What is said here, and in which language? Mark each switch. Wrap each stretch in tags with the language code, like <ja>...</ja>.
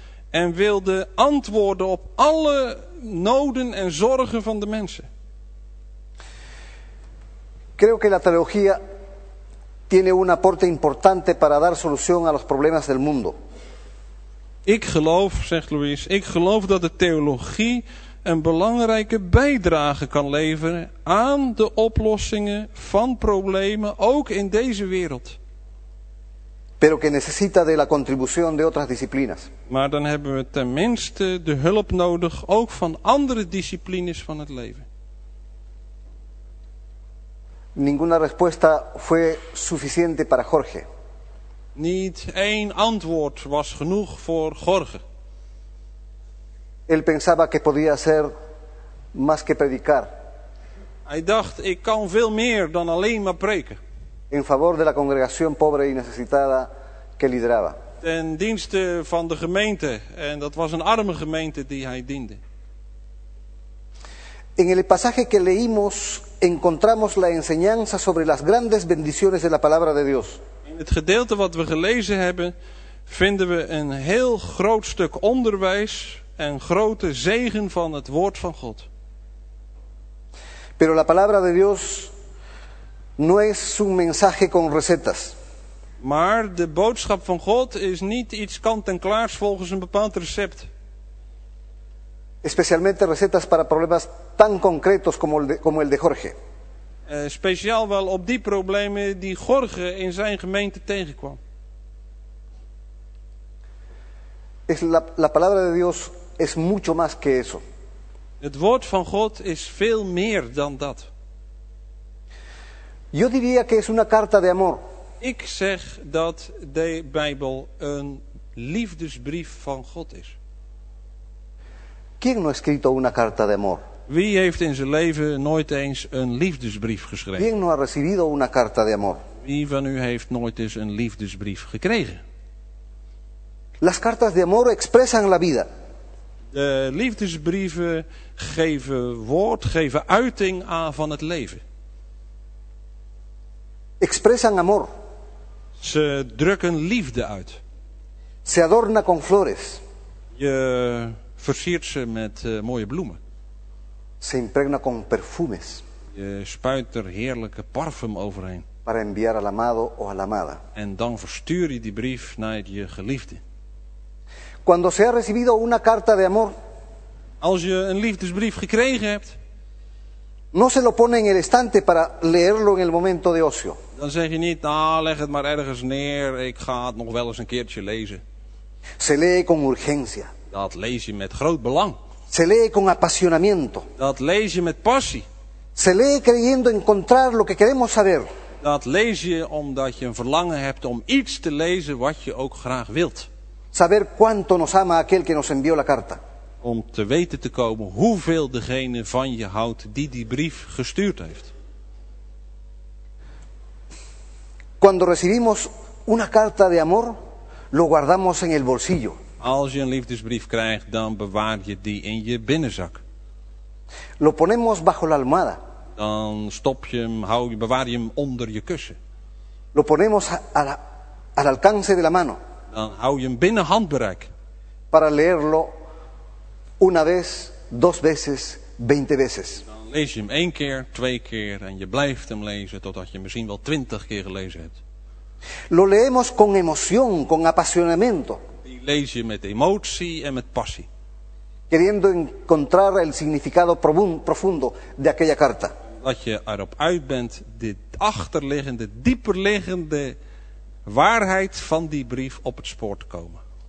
<nl>En wilde antwoorden op alle noden en zorgen van de mensen.</nl> <es>Creo que la teología tiene un aporte importante para dar solución a los problemas del mundo.</es> <nl>Ik geloof, zegt Luis, ik geloof dat de theologie een belangrijke bijdrage kan leveren aan de oplossingen van problemen, ook in deze wereld.</nl> <es>Pero que necesita de la contribución de otras disciplinas.</es> <nl>Maar dan hebben we tenminste de hulp nodig, ook van andere disciplines van het leven.</nl> <es>Ninguna respuesta fue suficiente para Jorge.</es> <nl>Niet één antwoord was genoeg voor Jorge.</nl> <es>Él pensaba que podía hacer más que predicar.</es> <nl>Hij dacht, ik kan veel meer dan alleen maar preken.</nl> <es>En favor de la congregación pobre y necesitada que lideraba.</es> <nl>Ten dienste van de gemeente, en dat was een arme gemeente die hij diende.</nl> <es>En el pasaje que leímos encontramos la enseñanza sobre las grandes bendiciones de la palabra de Dios.</es> <nl>In het gedeelte wat we gelezen hebben, vinden we een heel groot stuk onderwijs en grote zegen van het woord van God.</nl> <es>Pero la palabra de Dios no es un mensaje con recetas.</es> <nl>Maar de boodschap van God is niet iets kant en klaars volgens een bepaald recept.</nl> <es>Especialmente recetas para problemas tan concretos como el de Jorge.</es> <nl>Speciaal wel op die problemen die Jorge in zijn gemeente tegenkwam.</nl> <es>Es la palabra de Dios es mucho más que eso.</es> <nl>Het woord van God is veel meer dan dat.</nl> <es>Yo diría que es una carta de amor.</es> <nl>Ik zeg dat de Bijbel een liefdesbrief van God is.</nl> <es>¿Quién no ha escrito una carta de amor?</es> <nl>Wie heeft in zijn leven nooit eens een liefdesbrief geschreven?</nl> <es>¿Quién no ha recibido una carta de amor?</es> <nl>Wie van u heeft nooit eens een liefdesbrief gekregen?</nl> <es>Las cartas de amor expresan la vida.</es> <nl>De liefdesbrieven geven woord, geven uiting aan van het leven.</nl> <es>Expresan amor.</es> <nl>Ze drukken liefde uit.</nl> <es>Se adorna con flores.</es> <nl>Je versiert ze met mooie bloemen.</nl> <es>Se impregna con perfumes.</es> <nl>Je spuit er heerlijke parfum overheen.</nl> <es>Para enviar al amado o a la amada.</es> <nl>En dan verstuur je die brief naar je geliefde.</nl> <es>Cuando se ha recibido una carta de amor.</es> <nl>Als je een liefdesbrief gekregen hebt.</nl> <es>No se lo pone en el estante para leerlo en el momento de ocio.</es> <nl>Dan zeg je niet, nou, leg het maar ergens neer, ik ga het nog wel eens een keertje lezen.</nl> <es>Se lee con urgencia.</es> <nl>Dat lees je met groot belang.</nl> <es>Se lee con apasionamiento.</es> <nl>Dat lees je met passie.</nl> <es>Se lee creyendo encontrar lo que queremos saber.</es> <nl>Dat lees je omdat je een verlangen hebt om iets te lezen wat je ook graag wilt.</nl> <es>Saber cuánto nos ama aquel que nos envió la carta.</es> <nl>Om te weten te komen hoeveel degene van je houdt die die brief gestuurd heeft.</nl> <es>Cuando recibimos una carta de amor, lo guardamos en el bolsillo.</es> <nl>Als je een liefdesbrief krijgt, dan bewaar je die in je binnenzak.</nl> <es>Lo ponemos bajo la almohada.</es> <nl>Dan stop je hem, bewaar je hem onder je kussen.</nl> <es>Lo ponemos al alcance de la mano.</es> <nl>Dan hou je hem binnen handbereik.</nl> <es>Para leerlo una vez, dos veces, 20 veces.</es> <nl>Dan lees je hem 1 keer, 2 keer en je blijft hem lezen totdat je misschien wel 20 keer gelezen hebt.</nl> <es>Lo leemos con emoción, con apasionamiento.</es> <nl>Die lees je met emotie en met passie.</nl> <es>Queriendo encontrar el significado profundo de aquella carta.</es> <nl>Dat je erop uit bent, dit achterliggende, dieperliggende waarheid van die brief op het spoor te komen.</nl>